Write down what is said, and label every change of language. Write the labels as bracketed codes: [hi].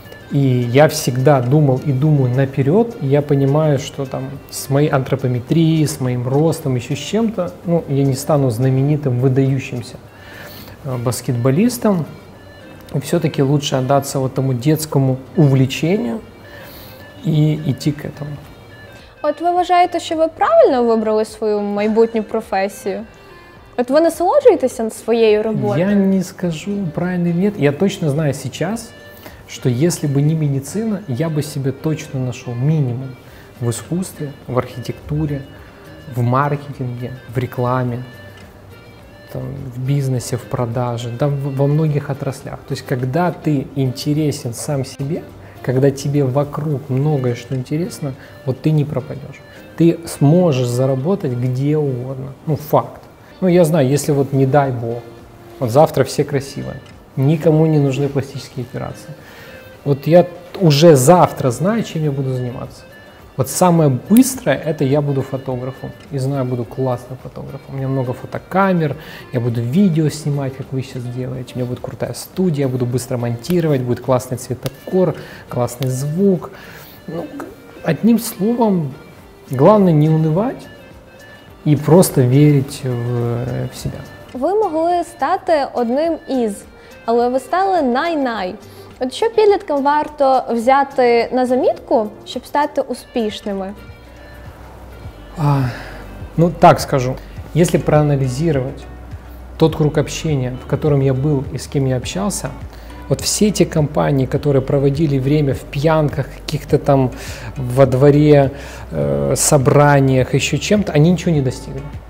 [ru] И я всегда думал и думаю наперед, и я понимаю, что там с моей антропометрией, с моим ростом, еще с чем-то, ну, я не стану знаменитым, выдающимся баскетболистом. Все-таки лучше отдаться вот тому детскому увлечению и идти к этому. [uk] От ви вважаєте, що ви правильно вибрали свою майбутню професію? От ви насолоджуєтеся своєю роботою? [ru] Я не скажу правильно или нет. Я точно знаю сейчас, что если бы не медицина, я бы себе точно нашел минимум в искусстве, в архитектуре, в маркетинге, в рекламе, там, в бизнесе, в продаже, да, во многих отраслях. То есть, когда ты интересен сам себе, когда тебе вокруг многое, что интересно, вот ты не пропадешь. Ты сможешь заработать где угодно. Ну, факт. Ну, я знаю, если вот не дай бог, вот завтра все красивые, никому не нужны пластические операции. Вот я уже завтра знаю, чем я буду заниматься. Вот самое быстрое – это я буду фотографом. И знаю, буду классным фотографом. У меня много фотокамер, я буду видео снимать, как вы сейчас делаете. У меня будет крутая студия, я буду быстро монтировать, будет классный цветокор, классный звук. Ну, одним словом, главное не унывать и просто верить в себя. [uk] Ви могли стати одним із, але ви стали най-най. От що підліткам варто взяти на замітку, щоб стати успішними? [ru] Ну, так скажу. Если проанализировать тот круг общения, в котором я был и с кем я общался, вот все эти компании, которые проводили время в пьянках, каких-то там во дворе, собраниях, еще чем-то, они ничего не достигли.